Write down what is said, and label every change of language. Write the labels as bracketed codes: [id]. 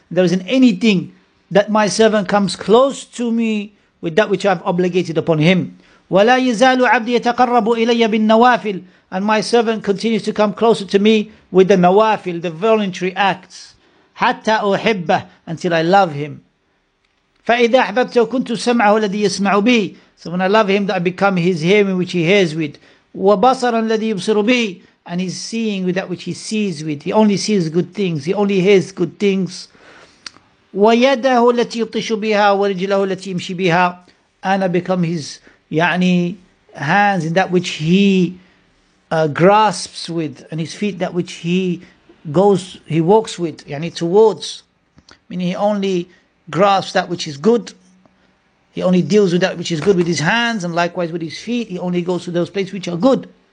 [en] There isn't anything that my servant comes close to me with that which I've obligated upon him. [ar] وَلَا يَزَالُ عَبْدِي يَتَقَرَّبُ إِلَيَّ بِالنَّوَافِلِ. [en] And my servant continues to come closer to me with the nawafil, the voluntary acts. [ar] حتى أحبه, [en] until I love him. [ar] فإذا أحببته كنت سمعه الذي يسمع به. [en] So when I love him, that I become his hearing which he hears with. [ar] وبصرا الذي يبصر به. [en] And he's seeing with that which he sees with. He only sees good things. He only hears good things. [ar] ويده التي يطش بها ورجله التي يمشي بها. [en] And I become his يعني hands in that which he grasps with. And his feet that which he walks with, yani towards, meaning he only grasps that which is good, he only deals with that which is good with his hands, and likewise with his feet, he only goes to those places which are good.